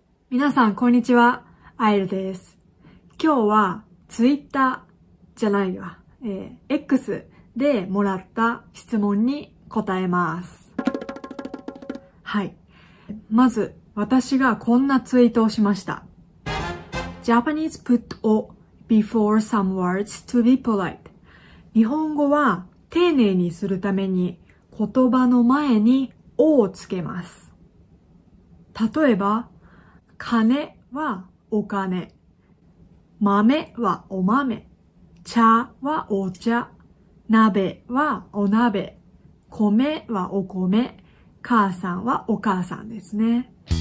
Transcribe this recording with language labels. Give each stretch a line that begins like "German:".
Japanese: 皆さん、こんにちは。アエルです。今日は、ツイッターじゃないわ、X でもらった質問に答えます。はい。まず、私がこんなツイートをしました。
English: Japanese put o before some words to be polite.
Japanese: 日本語は、丁寧にするために、言葉の前に o をつけます。例えば、金はお金、豆はお豆、茶はお茶、鍋はお鍋、米はお米、母さんはお母さんですね。